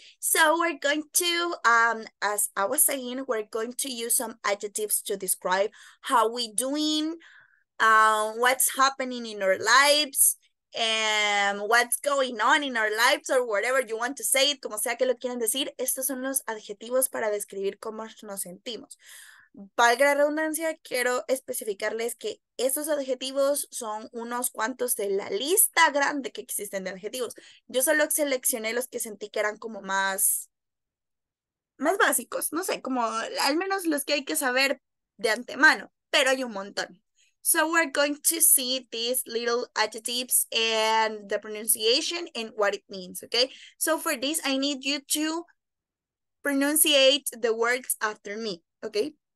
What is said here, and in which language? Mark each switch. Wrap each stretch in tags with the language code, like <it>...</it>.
<en>So we're going to, as I was saying, we're going to use some adjectives to describe how we're doing, what's happening in our lives, and what's going on in our lives, or whatever you want to say it,</en> <es>como sea que lo quieran decir. Estos son los adjetivos para describir cómo nos sentimos. Valga la redundancia, quiero especificarles que estos adjetivos son unos cuantos de la lista grande que existen de adjetivos. Yo solo seleccioné los que sentí que eran como más básicos, no sé, como al menos los que hay que saber de antemano, pero hay un montón.</es> <en>So we're going to see these little adjectives and the pronunciation and what it means, okay? So for this, I need you to pronunciate the words after me, okay?</en>